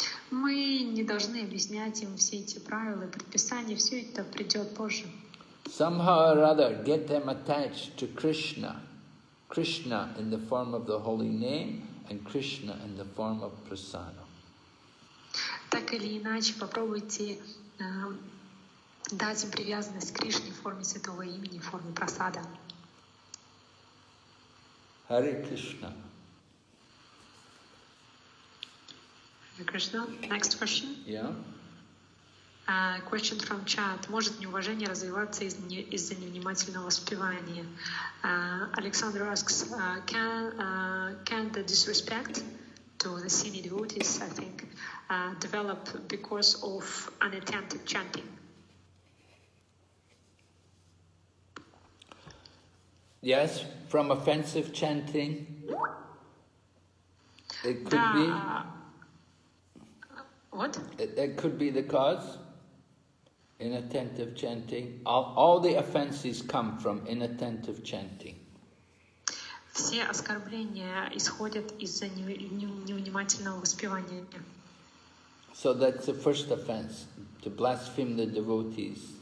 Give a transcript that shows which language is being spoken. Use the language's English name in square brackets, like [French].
[Russian] Мы не должны объяснять им все эти правила и предписания, все это придет позже. [English] Somehow or other, get them attached to Krishna. Krishna in the form of the holy name and Krishna in the form of prasadam. [Russian] Так или иначе, попробуйте дать им привязанность к Кришне в форме святого имени, в форме прасада. [English] Hare Krishna. Krishna, next question. Yeah. Question from chat. [Russian] Может неуважение развиваться из-за невнимательного воспевания? [English] Alexander asks, can the disrespect to the senior devotees, I think, develop because of unattentive chanting? Yes, from offensive chanting. It could be. What? That could be the cause, inattentive chanting. All the offenses come from inattentive chanting. [Russian] Все оскорбления исходят из-за невнимательного воспевания. [English] So that's the first offense, to blaspheme the devotees.